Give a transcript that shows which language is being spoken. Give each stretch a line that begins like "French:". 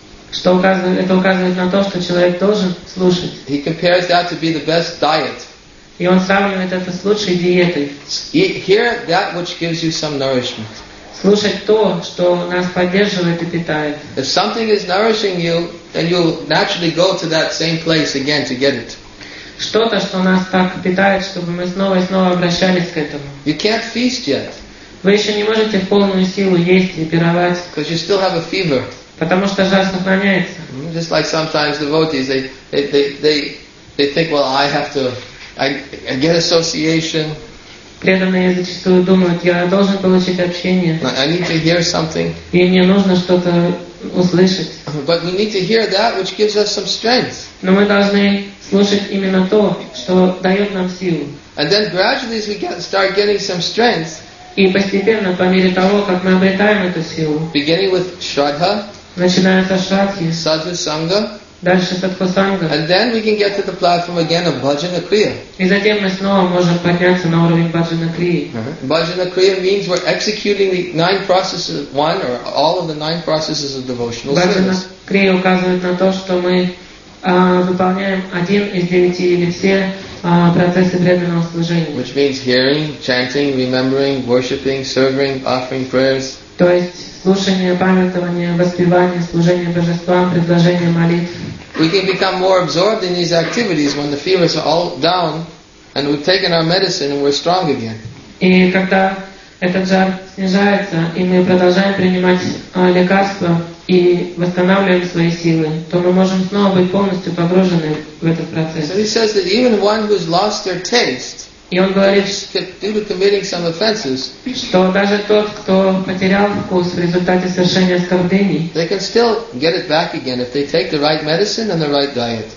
Russian: Что указывает, это указывает на то, что человек должен слушать.
English: He compares that to be the best diet.
Russian: И он сравнивает это с лучшей диетой.
English: Hear that which gives you some nourishment.
Russian: Слушать то, что нас поддерживает и питает.
English: If something is nourishing you, then you'll naturally go to that same place again to get it.
Russian: Что-то, что нас так питает, чтобы мы снова и снова обращались к этому.
English: You can't feast yet.
Russian: Вы еще не можете в полную силу есть и пировать.
English: Because you still have a fever.
Russian: Потому что жар сохраняется.
English: Just like sometimes devotees, they think, well, I get association.
Russian: Преданные зачастую думают, я должен получить общение.
English: I need to hear something.
Russian: И мне нужно что-то услышать.
English: But we need to hear that which gives us some strength.
Russian: Но мы должны слушать именно то, что дает нам силу.
English: And then gradually, as we start getting some strength,
Russian: и постепенно, по мере того, как мы обретаем эту силу,
English: beginning with Shraddha,
Russian: начиная со Шрадхи,
English: Sadhu Sangha,
Russian: дальше Садху Санга,
English: and then we can get to the platform again of Bhajana Kriya.
Russian: И затем мы снова можем подняться на уровень Bhajana Kriya.
English: Bhajana Kriya means we're executing the nine processes, one or all of the nine processes of devotional service.
Russian: Bhajana Kriya указывает на то, что мы выполняем один из девяти или все процессы преданного служения.
English: Which means hearing, chanting, remembering, worshipping, serving, offering prayers.
Russian: То есть слушание, памятование, воспевание, служение божествам, предложение молитв.
English: We can become more absorbed in these activities when the fever is all down and we've taken our medicine and we're strong again.
Russian: И когда этот жар снижается, и мы продолжаем принимать лекарства и восстанавливаем свои силы, то мы можем снова быть полностью погружены в этот процесс.
English: So he says that even one who's lost their taste,
Russian: и он говорит,
English: due to committing some offenses,
Russian: что даже тот, кто потерял вкус в результате совершения оскорблений,
English: they can still get it back again if they take the right medicine and the right diet.